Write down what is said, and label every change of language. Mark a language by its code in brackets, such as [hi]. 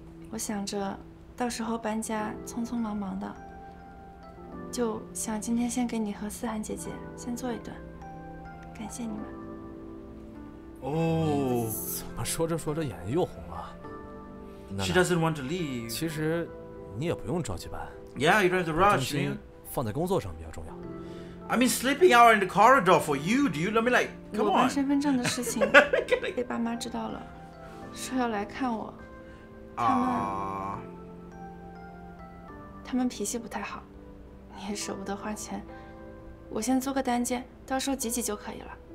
[zh] 我想着，到时候搬家匆匆忙忙的，就想今天先给你和思涵姐姐先做一顿，感谢你们。哦、oh, ，怎么说着说着眼睛又红了 [en] ？She doesn't want to leave. [zh] 其实你也不用着急搬。 [en] Yeah, you don't have to rush. [zh] 重心放在工作上比较重要。 [en] I mean, sleeping out in the corridor for you, do you let me like? Come on. [zh] 我办身份证的事情被爸妈知道了，说要来看我。他们脾气不太好，你也舍不得花钱。我先租个单间，到时候挤挤就可以了。